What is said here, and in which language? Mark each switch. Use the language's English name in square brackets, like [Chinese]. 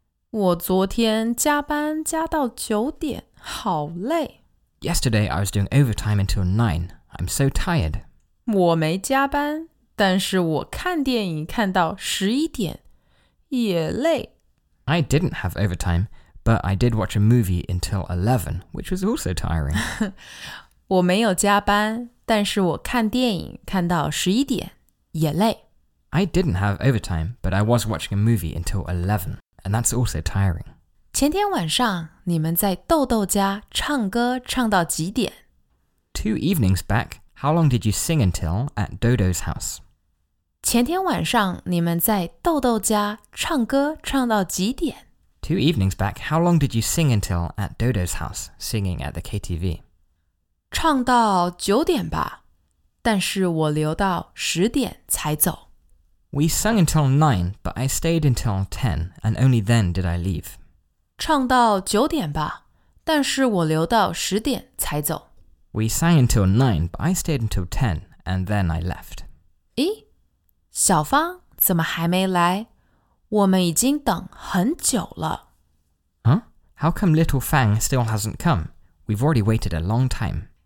[Chinese] 我昨天加班加到九点，好累。 [English] Yesterday, I was doing overtime until 9. I'm so tired. [Chinese] 我没加班，但是我看电影看到11点，也累。 [English] I didn't have overtime. But I did watch a movie until 11, which was also tiring. [Chinese] 我没有加班，但是我看电影看到11点，也累。 [English] I didn't have overtime, but I was watching a movie until 11, and that's also tiring. [Chinese] 前天晚上，你们在豆豆家唱歌唱到几点？ [English] Two evenings back, how long did you sing until at Dodo's house? [Chinese] 前天晚上，你们在豆豆家唱歌唱到几点？ [English] Two evenings back, how long did you sing until at Dodo's house, singing at the KTV? [Chinese] 唱到九点吧，但是我留到十点才走。 [English] We sung until 9, but I stayed until 10, and only then did I leave. [Chinese] 唱到九点吧，但是我留到十点才走。 [English] We sang until 9, but I stayed until 10, and then I left. [Chinese] 咦，小芳怎么还没来？我们已经等很久了。 [English] Huh? How come little Fang still hasn't come? We've already waited a long time.